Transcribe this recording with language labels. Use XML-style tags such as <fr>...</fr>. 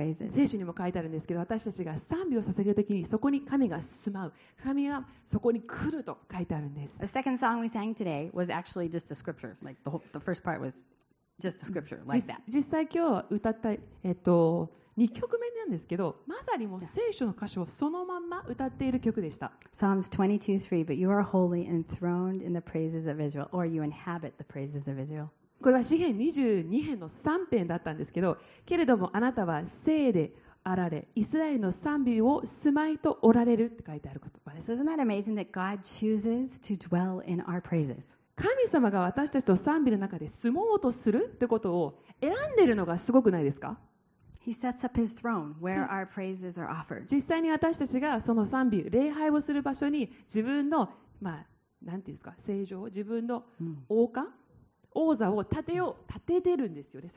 <ja>聖書にも書いてあるんですけど、私たちが賛美を捧げるときにそこに神が住まう、神がそこに来ると書いてあるんです。</ja> <en>The second song we sang today was actually just a scripture. Like the first part was just a scripture like that.</en> <ja>実際今日歌った2曲目なんですけど、まさにもう聖書の歌詞をそのまま歌っている曲でした。</ja> <en>Psalms 22:3, but you are holy and enthroned in the praises of Israel, or you inhabit the praises of Israel.</en> <ja>これは詩篇22編の3編だったんですけど、けれどもあなたは聖であられ、イスラエルの賛美を住まいとおられるって書いてある言葉です。</ja> <en>Isn't that amazing that God chooses to dwell in our praises?</en> <ja>神様が私たちと賛美の中で住もうとするってことを選んでるのがすごくないですか？</ja> <en>He sets up his throne where our praises are offered.</en> <ja>実際に私たちがその賛美、礼拝をする場所に自分の、まあ、なんていうんですか、聖城、自分の王冠、王座を建てよう、建ててるんですよね。</ja>